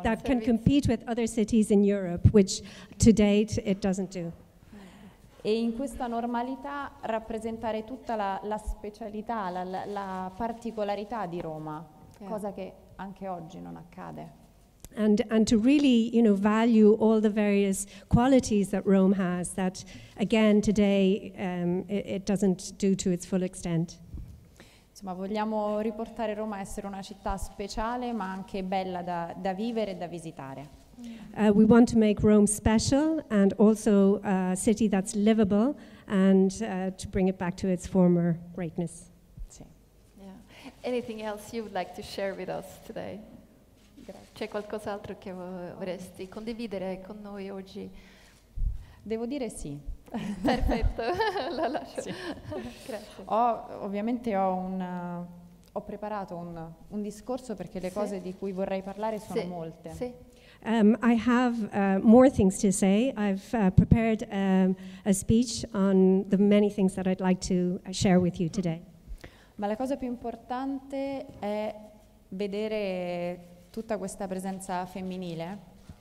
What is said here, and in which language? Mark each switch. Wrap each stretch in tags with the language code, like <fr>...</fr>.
<en>that can compete with other cities in Europe, which to date it doesn't do.</en> <it>E in questa normalità rappresentare tutta la specialità, la particolarità di Roma, yeah. Cosa che anche oggi non accade.</it> <en>And to really, you know, value all the various qualities that Rome has, that again today it doesn't do to its full extent.</en> <it>Ma vogliamo riportare Roma a essere una città speciale, ma anche bella da vivere e da visitare.</it> <en>We want to make Rome special and also a city that's livable and to bring it back to its former greatness.</en> <it>Sì.</it> <en>Yeah. Anything else you would like to share with us today?</en> <it>C'è qualcos'altro che vorresti condividere con noi oggi? Devo dire sì. Perfetto, la lascio. Sì. Grazie. Ho preparato un discorso perché le cose di cui vorrei parlare sono molte. Sì.</it> <en>I have more things to say. I've prepared a speech on the many things that I'd like to share with you today.</en> <it>Ma la cosa più importante è vedere tutta questa presenza femminile.</it>